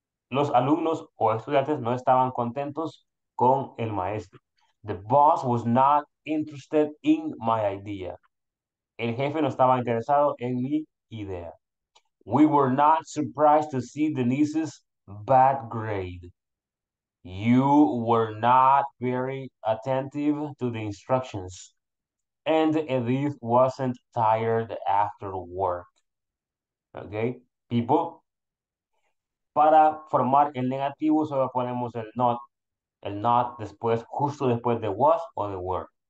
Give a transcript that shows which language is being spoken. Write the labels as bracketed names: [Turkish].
[Spanish] Los alumnos o estudiantes no estaban contentos con el maestro. [English] The boss was not interested in my idea. [Spanish] El jefe no estaba interesado en mi idea. [English] We were not surprised to see Denise's bad grade. You were not very attentive to the instructions. And Edith wasn't tired after work. Okay, people. [Spanish] Para formar el negativo, solo ponemos el not después, justo después de was o de were.